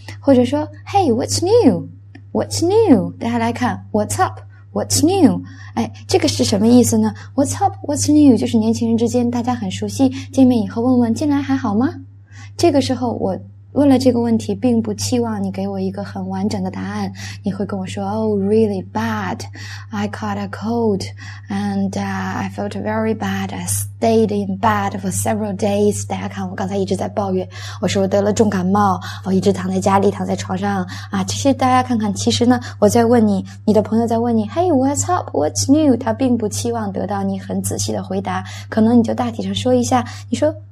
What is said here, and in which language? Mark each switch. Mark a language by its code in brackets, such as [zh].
[zh] 或者说 [en] ,Hey, what's new? What's new? [zh] 大家来看 [en] ,what's up? What's new? [zh] 哎，这个是什么意思呢 ? [en] What's up? What's new? [zh] 就是年轻人之间大家很熟悉，见面以后问问进来还好吗？这个时候我问了这个问题，并不期望你给我一个很完整的答案。你会跟我说 ， [en] Oh, really bad. I caught a cold, and I felt very bad. I stayed in bed for several days. [zh] 大家看，我刚才一直在抱怨，我说我得了重感冒，我一直躺在家里，躺在床上啊。其实大家看看，其实呢，我在问你，你的朋友在问你 ， [en] Hey, what's up? What's new? [zh] 他并不期望得到你很仔细的回答，可能你就大体上说一下，你说。